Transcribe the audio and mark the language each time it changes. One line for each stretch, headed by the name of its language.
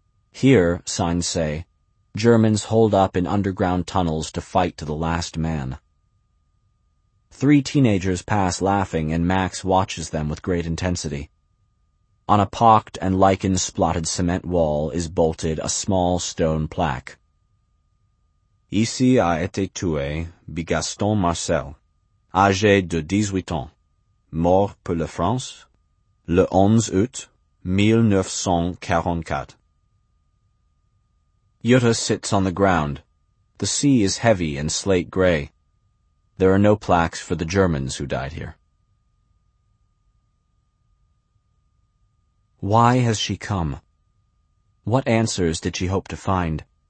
English: Here, signs say, Germans hold up in underground tunnels to fight to the last man. Three teenagers pass laughing and Max watches them with great intensity. On a pocked and lichen-splotted cement wall is bolted a small stone plaque.
French: Ici a été tué Bigaston Marcel, âgé de 18 ans, mort pour la France, le 11 août 1944.
English: Yuta sits on the ground. The sea is heavy and slate gray. There are no plaques for the Germans who died here. Why has she come? What answers did she hope to find?